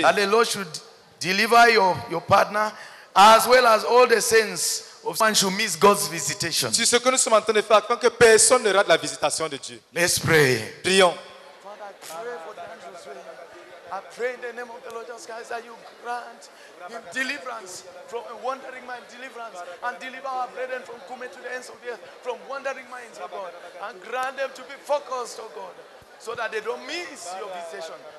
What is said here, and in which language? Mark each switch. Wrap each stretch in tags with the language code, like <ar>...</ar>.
<en>That the Lord should deliver your partner as well as all the saints. One should miss God's visitation.</en> <fr>C'est ce que nous sommes en train de faire afin que personne ne rate la visitation de Dieu.</fr> <en>Let's pray.</en> <fr>Prions.</fr> <en>Father, I pray for Dan Josué. I pray in the name of the Lord Jesus Christ that you grant him deliverance from a wandering mind, deliverance, and deliver our brethren from coming to the ends of the earth, from wandering minds, oh God, and grant them to be focused, oh God, so that they don't miss your visitation.</en>